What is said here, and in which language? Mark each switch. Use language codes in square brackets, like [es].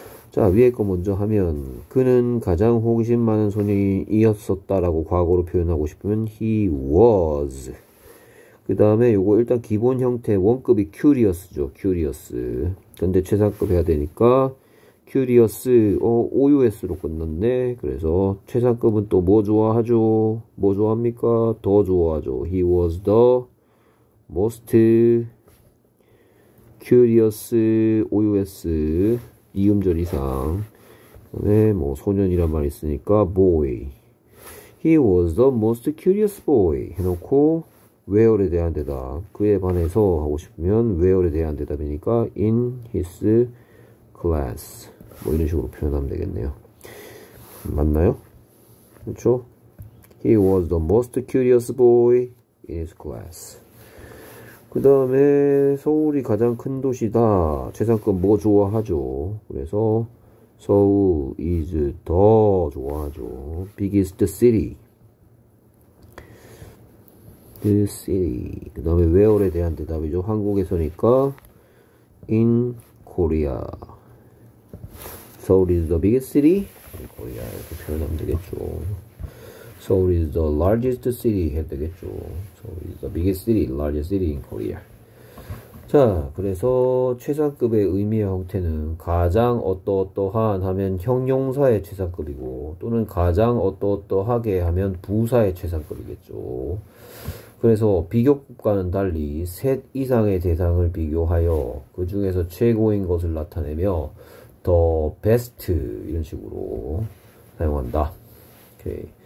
[ko] 자, 위에 거 먼저 하면, 그는 가장 호기심 많은 소년이었었다라고 과거로 표현하고 싶으면 [en] he was. [ko] 그 다음에 요거 일단 기본 형태 원급이 curious죠. curious. 근데 최상급 해야 되니까 큐리어스, OUS로 끝났네. 그래서 최상급은 또뭐 좋아하죠? 뭐 좋아합니까? 더 좋아하죠. [en] He was the most curious OUS [ko] 이음절 이상. 그다음에 뭐 소년이란 말 있으니까 boy. [en] He was the most curious boy [ko] 해놓고 [en] where에 대한 대답. [ko] 그에 반해서 하고 싶으면 where에 대한 대답이니까 [en] in his class. [ko] 뭐 이런 식으로 표현하면 되겠네요. 맞나요? 그렇죠? [en] He was the most curious boy in his class. [ko] 그 다음에 서울이 가장 큰 도시다. 최상급 뭐 좋아하죠? 그래서 서울 is 더 좋아하죠. [en] Biggest city. The city. [ko] 그 다음에 where에 대한 대답이죠. 한국에서니까 [en] in Korea. 서울 is the biggest city? [ko] 거의 이렇게 표현하면 되겠죠. [en] 서울 is the largest city [ko] 해야 되겠죠. [en] 서울 is the biggest city, largest city in Korea. [ko] 자, 그래서 최상급의 의미의 형태는 가장 어떠어떠한 하면 형용사의 최상급이고, 또는 가장 어떠어떠하게 하면 부사의 최상급이겠죠. 그래서 비교급과는 달리 셋 이상의 대상을 비교하여 그 중에서 최고인 것을 나타내며 더 베스트 이런 식으로 사용한다. 오케이.